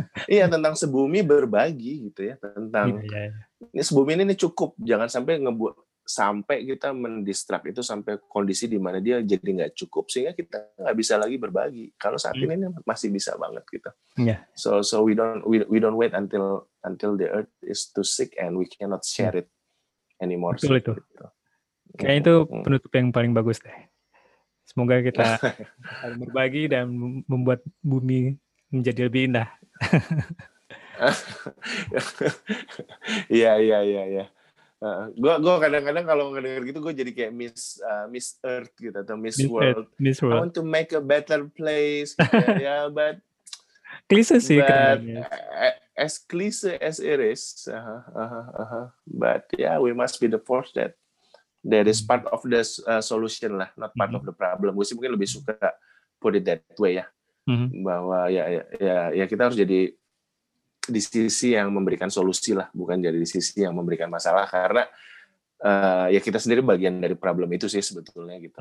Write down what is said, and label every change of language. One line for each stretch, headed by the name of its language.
Indonesian: Iya, tentang sebumi berbagi gitu ya, tentang ini sebumi ini cukup, jangan sampai ngebuat sampai kita mendistrak itu sampai kondisi di mana dia jadi nggak cukup sehingga kita nggak bisa lagi berbagi. Kalau saat ini masih bisa banget kita.
English: Yeah. So we don't wait until the earth is too sick and we cannot share it anymore.
Indonesian: Betul itu. Gitu. Kayaknya itu penutup yang paling bagus deh. Semoga kita berbagi dan membuat bumi menjadi lebih indah. Iya. Gue kadang-kadang kalau ngedenger gitu gue jadi kayak Miss Earth gitu atau Miss World.
English: Miss World. I want to make a better place. Ya, yeah, but
Indonesian: klise sih kerennya.
English: As klise as it is. But yeah, we must be the force that is part of the solution lah, not part of the problem.
Indonesian: Gue sih mungkin lebih suka
English: put it that way
Indonesian: ya. Bahwa ya kita harus jadi di sisi yang memberikan solusi lah, bukan jadi di sisi yang memberikan masalah, karena ya kita sendiri bagian dari problem itu sih sebetulnya gitu.